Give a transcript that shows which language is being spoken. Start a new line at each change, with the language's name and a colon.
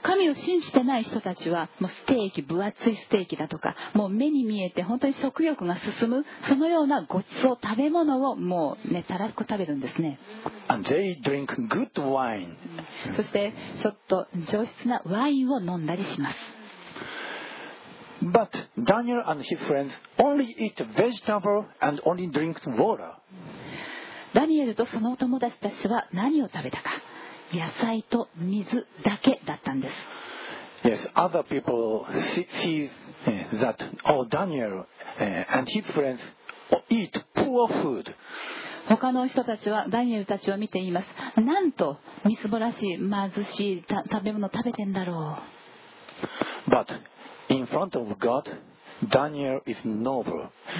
Japanese: 神を信じてない人たちは、もうステーキ、分厚いステーキだとか、もう目に見えて本当に食欲が進む、そのようなごちそう、食べ物をもうね、たらふく食べるんですね。
English: And they drink good wine.
Japanese: そして、ちょっと上質なワインを飲んだりします。
English: But Daniel and his friends only eat vegetable and only drink water.
Japanese: ダニエルとその友達たちは何を食べたか、野菜と水だけだったんです。
English: Yes, other people see that Daniel and his friends eat poor food.
Japanese: 他の人たちはダニエルたちを見ています。なんとみすぼらしい貧しい食べ物を食べてんだろう。
English: But in front of God, Daniel is noble.